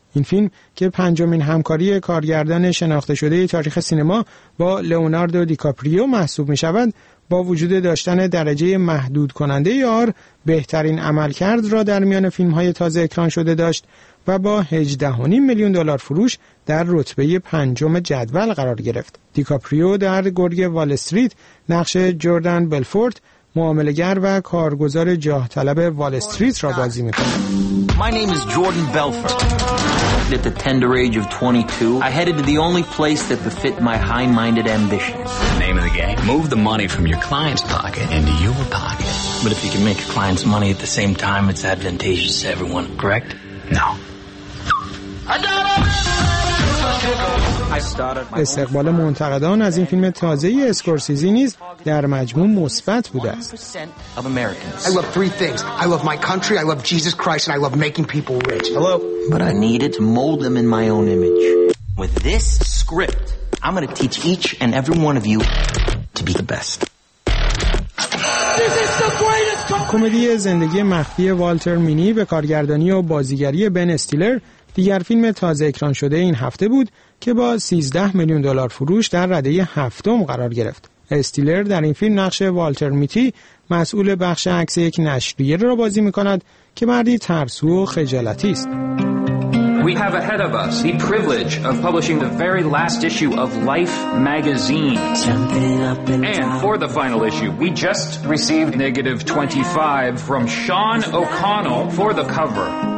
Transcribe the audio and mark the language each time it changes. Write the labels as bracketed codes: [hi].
[fa] این فیلم که پنجمین همکاری کارگردان شناخته شده تاریخ سینما با لئوناردو دیکاپریو محسوب می‌شود، با وجود داشتن درجه محدود کننده آر، بهترین عملکرد را در میان فیلم‌های تازه اکران شده داشت و با 18.5 میلیون دلار فروش در رتبه پنجم جدول قرار گرفت. دیکاپریو در گرگ وال استریت نقش جردن بلفورد، معامله‌گر و کارگزار جاه‌طلب وال استریت را بازی می‌کند. [en] My name is Jordan Belfort. At the tender age of 22, I headed to the only place that befit my high-minded ambitions. Name of the game. Move the money from your client's pocket into your pocket. But if you can make your client's money at the same time, it's advantageous to everyone, correct? No. I got it! [fa] استقبال منتقدان از این فیلم تازه ای اسکورسیزی نیز در مجموع مثبت بوده است. [en] I love three things. I love my country, I love Jesus Christ and I love making people rich. Hello. But I needed to mold them in my own image. With this script, I'm going to teach each and every one of you to be the best. [fa] کمدی زندگی مخفی والتر مینی به کارگردانی و بازیگری بن استیلر دیگر فیلم تازه اکران شده این هفته بود که با 13 میلیون دلار فروش در رده هفتم قرار گرفت. استیلر در این فیلم نقش والتر میتی، مسئول بخش عکس یک نشریه را بازی می‌کند که مردی ترسو و خجالتی است. [en] We have ahead of us the privilege of publishing the very last issue of Life magazine. And for the final issue, we just received negative 25 from Sean O'Connell for the cover.